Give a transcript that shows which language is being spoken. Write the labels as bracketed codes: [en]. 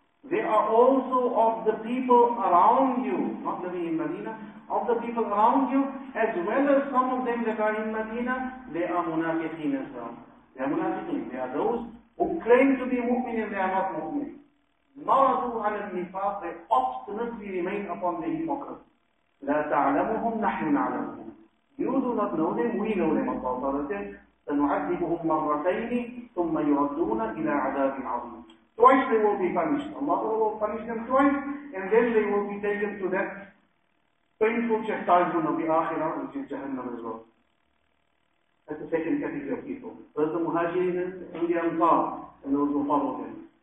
[en] They are also of the people around you, not living in Medina, of the people around you, as well as some of them that are in Medina, they are munafiqeen as well. They are munafiqeen. They are those who claim to be mu'min and they are not mu'min. [ar] Maradu ala nifaq, [en] they obstinately remain upon the hypocrisy. [ar] La ta'alamuhum nahnu na'alamuhum. [en] You do not know them, we know them. Allah Ta'ala says, [ar] سَنُعَذِّبُهُمْ مَرَّتَيْنِ ثُمَّ يُرَدُّونَ إِلَىٰ عَذَابٍ عَظِيمٍ. [en] Twice they will be punished. Allah will punish them twice, and then they will be taken to that painful chastisement of the Akhirah, which is Jahannam as well. That's the second category of people. First the Muhajirin and the Ansar, and those who follow them.